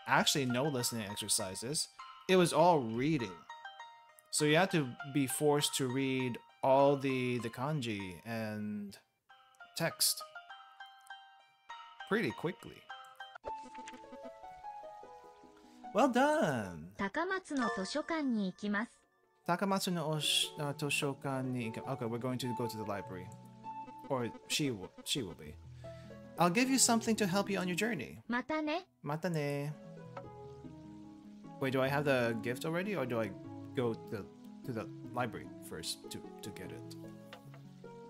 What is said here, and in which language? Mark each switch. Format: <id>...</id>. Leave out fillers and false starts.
<en>Actually, no listening exercises. It was all reading. So you had to be forced to read all the kanji and text pretty quickly. Well done!</en> <ja>高松の図書館に行きます。高松の図書館に行きます。</ja> <en>Okay, we're going to go to the library. Or she will be. I'll give you something to help you on your journey.</en> <ja>またね。</ja> <en>Wait, do I have the gift already? Or do I go to the library first to get it?</en>